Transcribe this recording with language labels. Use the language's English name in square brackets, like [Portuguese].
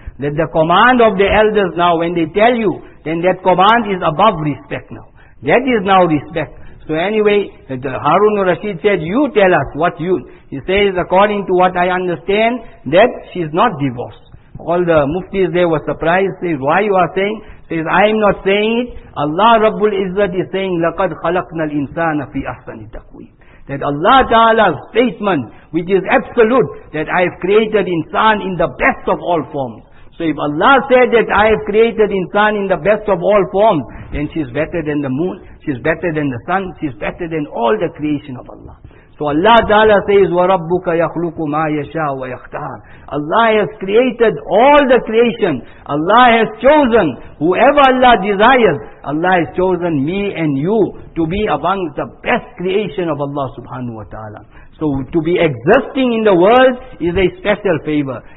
[English] That the command of the elders now, when they tell you, then that command is above respect now. That is now respect. So anyway, Harun al-Rashid said, you tell us what you... He says, according to what I understand, that she is not divorced. All the muftis there were surprised, says, why you are saying? Says, I am not saying it. Allah Rabbul Izzat is saying, [Arabic] لَقَدْ خَلَقْنَا الْإِنسَانَ فِي أَحْسَنِ تَقْوِيمٍ. [English] That Allah Ta'ala's statement, which is absolute, that I have created insan in the best of all forms. So if Allah said that I have created insan in the best of all forms, then she is better than the moon, she is better than the sun, she is better than all the creation of Allah. So Allah Ta'ala says, [Arabic] وَرَبُّكَ يَخْلُقُ مَا يَشَاءُ وَيَخْتَارُ. [English] Allah has created all the creation. Allah has chosen whoever Allah desires. Allah has chosen me and you to be among the best creation of Allah Subhanahu Wa Ta'ala. So to be existing in the world is a special favor.